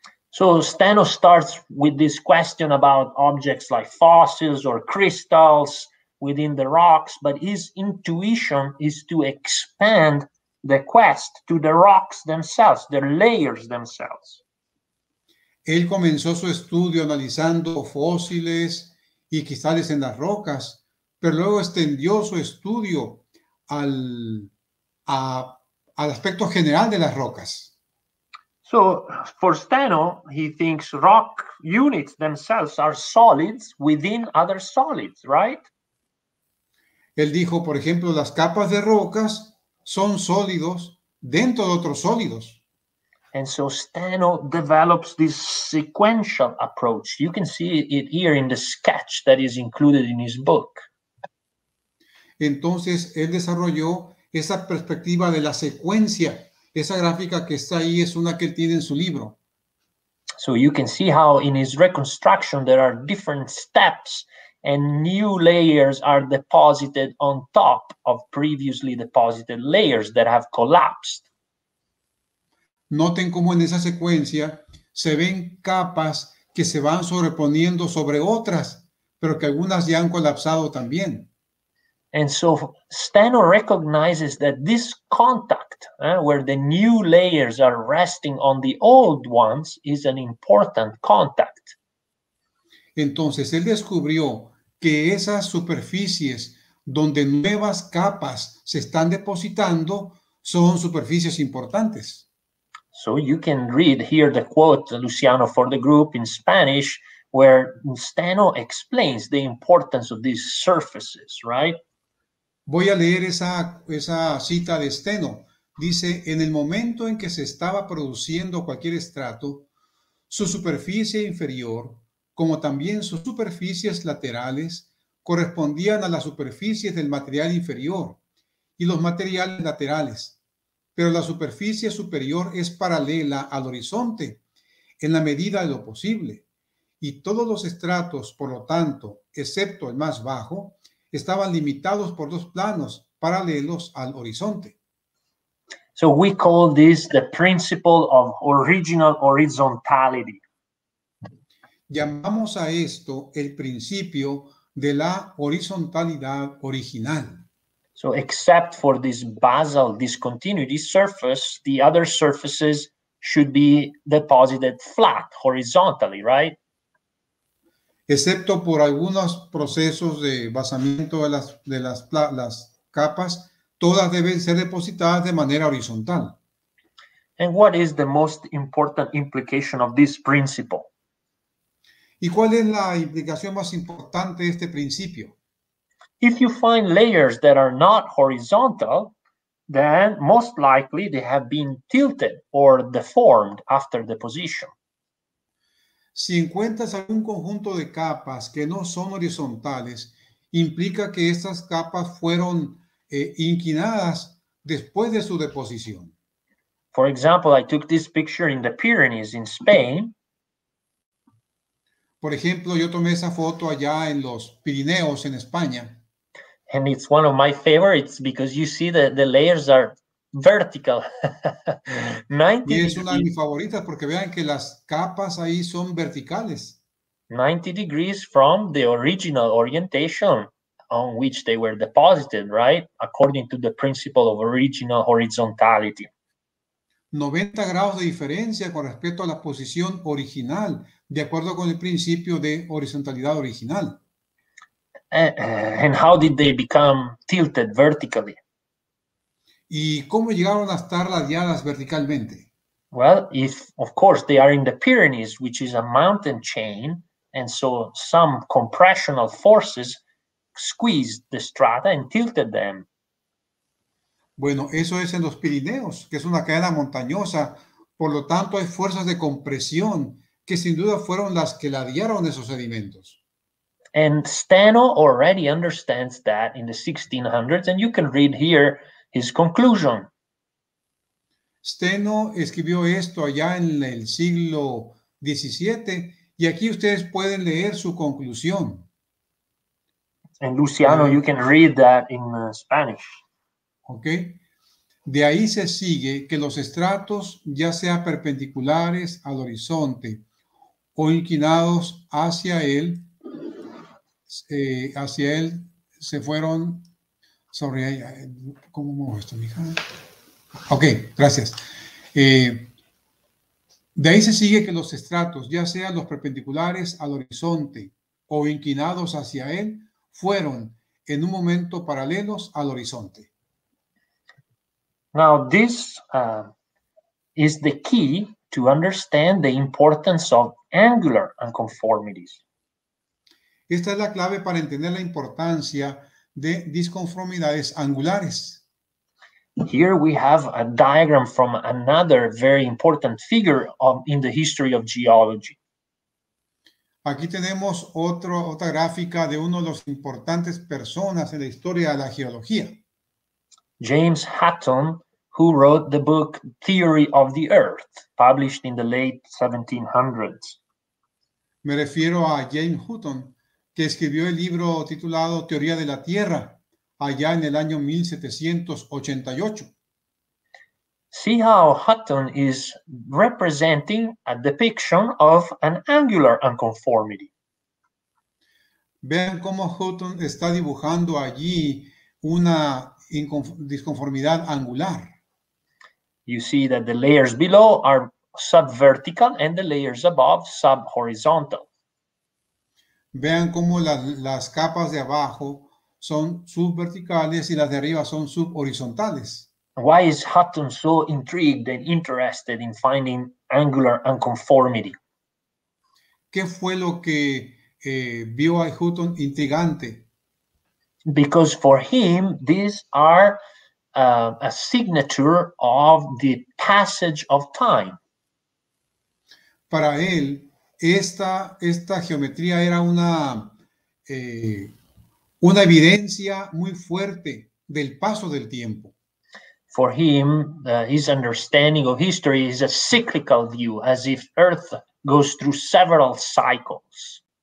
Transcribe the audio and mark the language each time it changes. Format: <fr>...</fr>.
<en>So Steno starts with this question about objects like fossils or crystals within the rocks, but his intuition is to expand the quest to the rocks themselves, the layers themselves.</en> <es>Él comenzó su estudio analizando fósiles y cristales en las rocas, pero luego extendió su estudio al aspecto general de las rocas.</es> <en>So, for Steno, he thinks rock units themselves are solids within other solids, right?</en> <es>Él dijo, por ejemplo, las capas de rocas son sólidos dentro de otros sólidos.</es> <en>And so Steno develops this sequential approach. You can see it here in the sketch that is included in his book.</en> <es>Entonces, él desarrolló esa perspectiva de la secuencia. Esa gráfica que está ahí es una que él tiene en su libro.</es> <en>So you can see how in his reconstruction there are different steps and new layers are deposited on top of previously deposited layers that have collapsed.</en> <es>Noten cómo en esa secuencia se ven capas que se van sobreponiendo sobre otras, pero que algunas ya han colapsado también.</es> <en>And so Steno recognizes that this contact, where the new layers are resting on the old ones, is an important contact.</en> <es>Entonces, él descubrió que esas superficies donde nuevas capas se están depositando son superficies importantes.</es> <en>So you can read here the quote, Luciano, for the group in Spanish, where Steno explains the importance of these surfaces, right?</en> <es>Voy a leer esa cita de Steno. Dice, en el momento en que se estaba produciendo cualquier estrato, su superficie inferior, como también sus superficies laterales, correspondían a las superficies del material inferior y los materiales laterales. Pero la superficie superior es paralela al horizonte, en la medida de lo posible. Y todos los estratos, por lo tanto, excepto el más bajo, estaban limitados por dos planos paralelos al horizonte.</es> <en>So we call this the principle of original horizontality.</en> <es>Llamamos a esto el principio de la horizontalidad original.</es> <en>So except for this basal discontinuity surface, the other surfaces should be deposited flat, horizontally, right?</en> <es>Excepto por algunos procesos de basamiento de las capas, todas deben ser depositadas de manera horizontal.</es> <en>And what is the most important implication of this principle?</en> <es>¿Y cuál es la implicación más importante de este principio?</es> <en>If you find layers that are not horizontal, then most likely they have been tilted or deformed after deposition.</en> <es>Si encuentras algún conjunto de capas que no son horizontales, implica que estas capas fueron inclinadas después de su deposición.</es> <en>For example, I took this picture in the Pyrenees in Spain.</en> <es>Por ejemplo, yo tomé esa foto allá en los Pirineos en España.</es> <en>And it's one of my favorites because you see that the layers are vertical. 90 degrees.</en> <es>Y es una de mis favoritas porque vean que las capas ahí son verticales.</es> <en>90 degrees from the original orientation on which they were deposited, right? According to the principle of original horizontality.</en> <es>90 grados de diferencia con respecto a la posición original, de acuerdo con el principio de horizontalidad original.</es> <en>And how did they become tilted vertically?</en> <es>¿Y cómo llegaron a estar ladeadas verticalmente?</es> <en>Well, if of course they are in the Pyrenees, which is a mountain chain, and so some compressional forces squeezed the strata and tilted them.</en> <es>Bueno, eso es en los Pirineos, que es una cadena montañosa. Por lo tanto, hay fuerzas de compresión que sin duda fueron las que ladearon esos sedimentos.</es> <en>And Steno already understands that in the 1600s, and you can read here his conclusion.</en> <es>Steno escribió esto allá en el siglo XVII, y aquí ustedes pueden leer su conclusión.</es> <en>And Luciano, you can read that in Spanish. Okay.</en> <es>De ahí se sigue que los estratos, ya sea perpendiculares al horizonte o inclinados hacia él se fueron.</es> <en>Sorry,</en> <es>¿cómo muevo esto, mija? Okay, gracias. De ahí se sigue que los estratos, ya sean los perpendiculares al horizonte o inclinados hacia él, fueron en un momento paralelos al horizonte.</es> <en>Now, this is the key to understand the importance of angular unconformities.</en> <es>Esta es la clave para entender la importancia de disconformidades angulares.</es> <en>Here we have a diagram from another very important figure in the history of geology.</en> <es>Aquí tenemos otra gráfica de uno de los importantes personas en la historia de la geología.</es> <en>James Hutton, who wrote the book Theory of the Earth, published in the late 1700s.</en> <es>Me refiero a James Hutton, que escribió el libro titulado Teoría de la Tierra, allá en el año 1788.</es> <en>See how Hutton is representing a depiction of an angular unconformity.</en> <es>Vean cómo Hutton está dibujando allí una disconformidad angular.</es> <en>You see that the layers below are subvertical and the layers above subhorizontal.</en> <es>Vean cómo las capas de abajo son subverticales y las de arriba son subhorizontales.</es> <en>Why is Hutton so intrigued and interested in finding angular unconformity?</en> <es>¿Qué fue lo que vio a Hutton intrigante?</es> <en>Because for him, these are a signature of the passage of time.</en> <es>Para él, esta geometría era una evidencia muy fuerte del paso del tiempo.</es> <en>For him, his understanding of history is a cyclical view, as if Earth goes through several cycles.</en>